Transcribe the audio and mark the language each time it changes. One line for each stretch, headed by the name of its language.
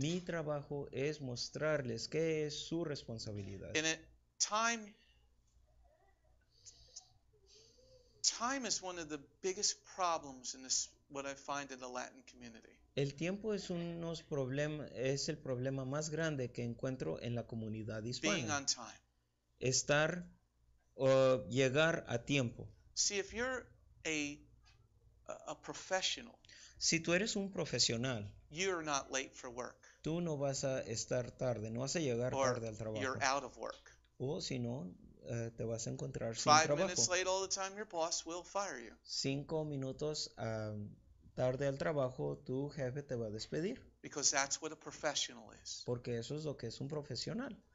Spanish: Mi trabajo es mostrarles qué es su responsabilidad.
English: In a time. Time is one of the biggest problems in this, what I find in the Latin community.
Spanish: El tiempo es unos problemas, es el problema más grande que encuentro en la comunidad hispana.
English: Being on time.
Spanish: Estar o llegar a tiempo.
English: See, if you're a professional.
Spanish: Si tú eres un profesional.
English: You're not late for work.
Spanish: Tú no vas a estar tarde, no vas a llegar
English: or
Spanish: tarde al trabajo.
English: You're out of work.
Spanish: O si no, te vas a encontrar sin
English: five
Spanish: trabajo.
English: Minutes late all the time, your boss will fire you.
Spanish: 5 minutos tarde al trabajo, tu jefe te va a despedir.
English: Because that's what a professional is.
Spanish: Porque eso es lo que es un profesional.